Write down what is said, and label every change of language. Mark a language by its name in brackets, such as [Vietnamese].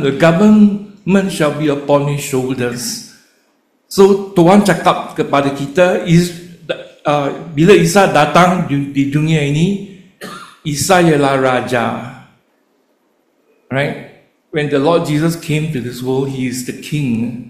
[English] The government shall be upon his shoulders. [Malay] So Tuhan cakap kepada kita is bila Isa datang di dunia ini, Isa ialah raja, right? [English] When the Lord Jesus came to this world, he is the king.